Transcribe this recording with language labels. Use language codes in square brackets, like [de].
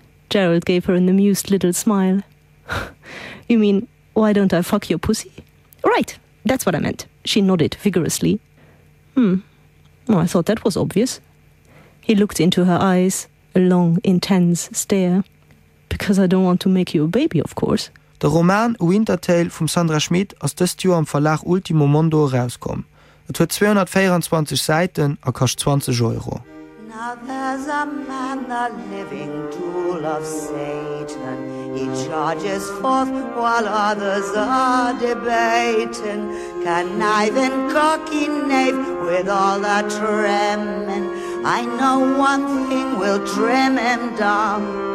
[en] Gerald gave her an amused little smile. "You mean, why don't I fuck your pussy?" "Right, that's what I meant." She nodded vigorously. Well, I thought that was obvious. He looked into her eyes, a long, intense stare. "Because I don't want to make you a baby, of course." [de] Der Roman Winter Tale von Sandra Schmidt aus diesem Jahr am Verlag Ultimo Mondo rauskommt. Es hat 224 Seiten und kostet 20 Euro. [en] Now there's a man, the living tool of Satan. He charges forth while others are debating. Conniving, cocky knave with all the trimming. I know one thing will trim him down.